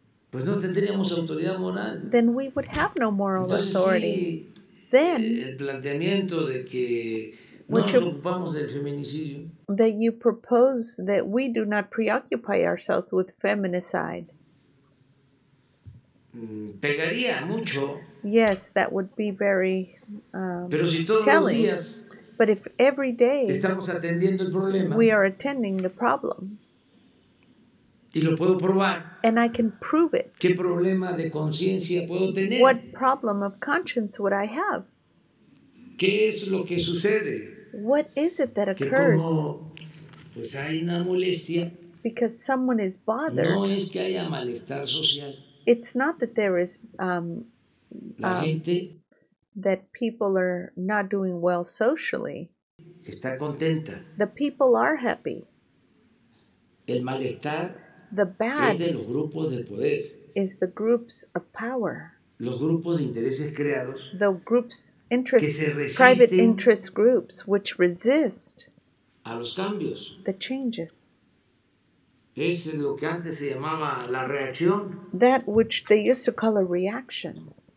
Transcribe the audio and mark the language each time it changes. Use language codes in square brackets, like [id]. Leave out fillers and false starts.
[es] pues no tendríamos autoridad moral. [en] Then we would have no moral [es] Entonces, [en] authority. Then, [es] el planteamiento de que no nos ocupamos del feminicidio, [en] that you propose that we do not preoccupy ourselves with feminicide, [es] pegaría mucho. [en] Yes, that would be very [es] pero si todos [en] telling. [es] Los días [en] but if every day [es] estamos atendiendo el problema, [en] we are attending the problem [es] y lo puedo probar, [en] and I can prove it, [es] ¿qué problema de conciencia puedo tener? [en] What problem of conscience would I have? [es] ¿Qué es lo que sucede? [en] What is it that occurs? [es] Que como, pues hay una molestia, [en] because someone is bothered. [es] No es que haya malestar social. [en] It's not that there is [es] la gente [en] that people are not doing well socially. [es] Está contenta. [en] The people are happy. [es] El malestar [en] the bad [es] es de los grupos de poder. [en] Is the groups of power. [es] Los grupos de intereses creados. [en] The groups interest, [es] que se resisten [en] private interest groups which resist [es] a los cambios. [en] The changes. [es] Es lo que antes se llamaba la reacción. [en] That which they used to call a reaction.